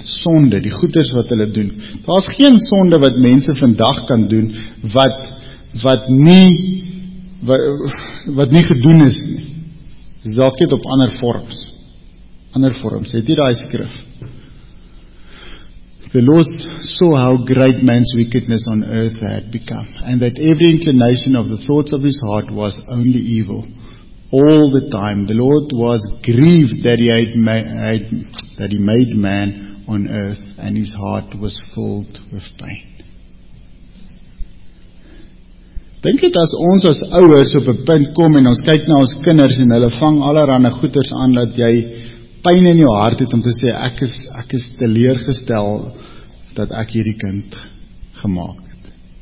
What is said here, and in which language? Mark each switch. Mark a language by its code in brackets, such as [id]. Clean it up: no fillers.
[af] Sonde, die goeders wat hulle doen. Daar is geen sonde wat mense vandag kan doen, wat nie gedoen is nie. Dalk het op ander vorms. Ander vorms, het jy daai skrif? [en] The Lord saw how great man's wickedness on earth had become, and that every inclination of the thoughts of his heart was only evil all the time. The Lord was grieved that he made man on earth, and his heart was filled with pain. [af] Dink dit as ons as ouers op 'n punt kom en ons kyk na ons kinders en hulle vang allerhande goeters aan, dat jy pyn in jou hart het om te sê, ek is teleurgestel dat ek hierdie kind gemaak het.